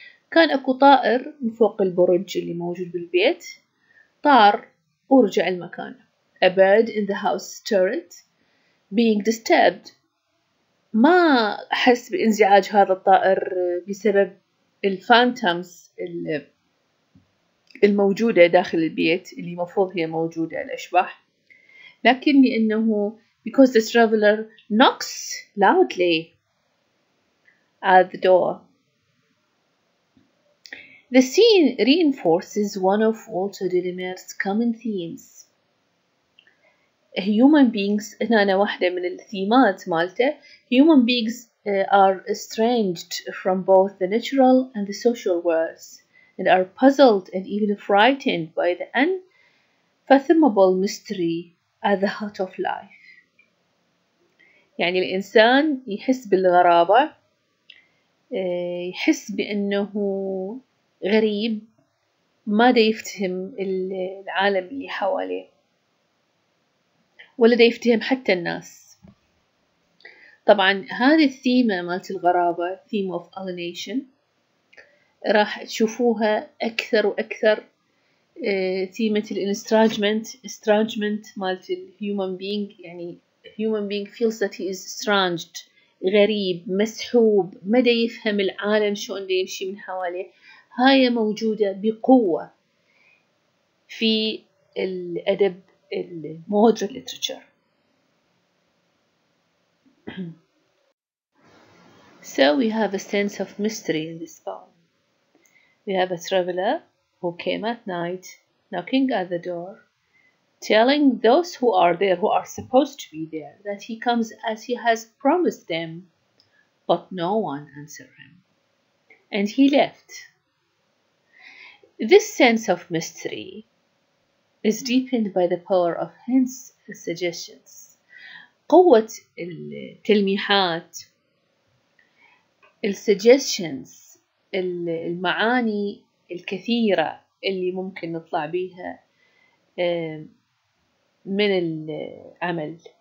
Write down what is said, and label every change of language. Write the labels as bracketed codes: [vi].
[ar] كان أكو طائر من فوق البرج اللي موجود بالبيت, طار ورجع المكان. [en] A bird in the house turret being disturbed. [ar] ما أحس بإنزعاج هذا الطائر بسبب الفانتمز الموجودة داخل البيت اللي مفروض هي موجودة الأشباح, لكن لأنه [en] because the traveler knocks loudly at the door. The scene reinforces one of Walter de la Mare's common themes. human beings, [ar] أنا واحدة من الثيمات مالته, [en] human beings are estranged from both the natural and the social worlds and are puzzled and even frightened by the unfathomable mystery at the heart of life. [ar] يعني الإنسان يحس بالغرابة, يحس بأنه غريب, ما دا يفتهم العالم اللي حواليه ولا دا يفتهم حتى الناس. طبعا هذه الثيمة مالت الغرابة, [en] theme of alienation, [ar] راح تشوفوها أكثر وأكثر, ثيمة الانسترانجمنت, استرانجمنت مالت الهيومن بينج, يعني [en] human being feels that he is estranged, [ar] غريب, مسحوب, ما دا يفهم العالم شلون دا يمشي من حواليه. هاي موجودة بقوة في الأدب المودرن ليترشر. [en] So we have a sense of mystery in this poem. We have a traveler who came at night, knocking at the door, telling those who are there, who are supposed to be there, that he comes as he has promised them, but no one answered him. And he left. This sense of mystery is deepened by the power of hints and suggestions. [ar] قوة التلميحات, السuggestions, المعاني الكثيرة اللي ممكن نطلع بيها من العمل.